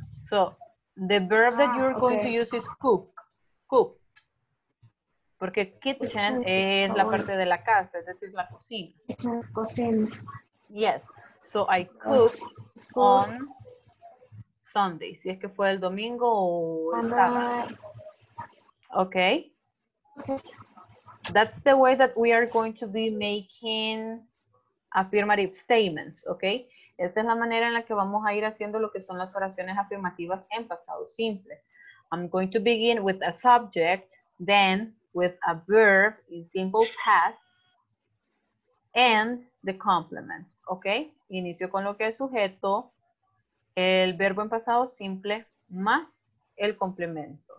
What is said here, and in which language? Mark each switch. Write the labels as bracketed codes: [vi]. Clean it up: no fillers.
[en] So the verb that you're going to use is cook. Cook. [es] Porque kitchen es la parte de la casa, es decir, la cocina. [en] Kitchen is cocina. Yes. So I cook on Sunday. [es] Si es que fue el domingo o el sábado. [en] Okay. That's the way that we are going to be making affirmative statements, okay? [es] Esta es la manera en la que vamos a ir haciendo lo que son las oraciones afirmativas en pasado simple. [en] I'm going to begin with a subject, then with a verb in simple past, and the complement, okay? [es] Inicio con lo que es sujeto, el verbo en pasado simple, más el complemento.